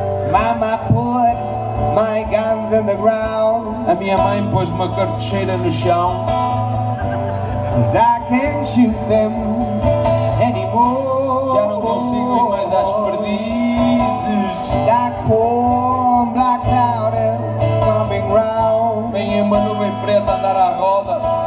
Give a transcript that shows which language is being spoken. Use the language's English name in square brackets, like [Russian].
[English] Mama put my guns in the ground. [Portuguese] A minha mãe pôs uma cartucheira no chão. [English] Cause I can't shoot them anymore. [Portuguese] Já não consigo ir mais às perdizes. [English] Black warm, black cloud coming round. [Portuguese] Vem uma nuvem preta a andar à roda.